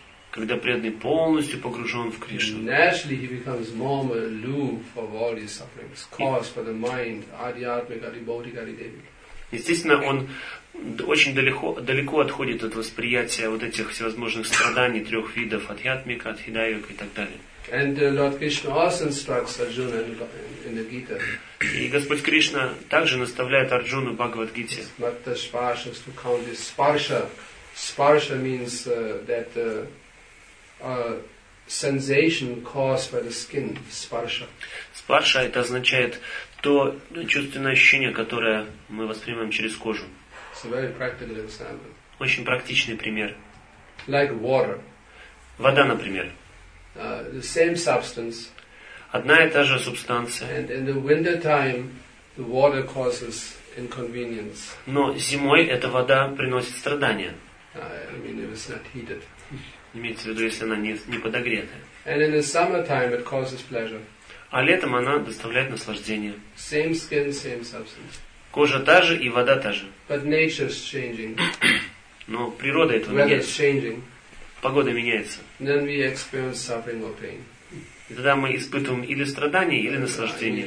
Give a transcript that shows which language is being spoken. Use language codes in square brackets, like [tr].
[ru] Когда преданный полностью погружен в Кришну. [en] Naturally he becomes more aloof of all his sufferings caused by the mind, adhyatmika, adhibhautika, adhidevika. [ru] Естественно, он очень далеко отходит от восприятия вот этих всевозможных страданий трех видов адхьятмика, адхидайвика и так далее. [en] And Lord Krishna also instructs Arjuna in the Gita. [ru] И Господь Кришна также наставляет Арджуну в Бхагавад-гите. Smatta sparsha to count this sparsha. [en] Sparsha means that sensation caused by the skin. Sparsha. [ru] Спарша это означает то чувственное ощущение, которое мы воспринимаем через кожу. [en] It's a very practical example. [ru] Очень практичный пример. [en] Like water. [ru] Вода, например. [en] The same substance. [ru] Одна и та же субстанция. [en] And in the winter time, the water causes inconvenience. [ru] Но зимой эта вода приносит страдания. [en] I mean, if it's not heated. [ru] Имеется в виду, если она не подогретая. [en] And in the summer time, it causes pleasure. [ru] А летом она доставляет наслаждение. [en] Same skin, same substance. [ru] Кожа та же и вода та же. [en] But nature's changing. [ru] Но природа этого меняется. [en] Weather's changing. [ru] Погода меняется. [en] Then we experience suffering or pain. [ru] И тогда мы испытываем или страдание, или наслаждение.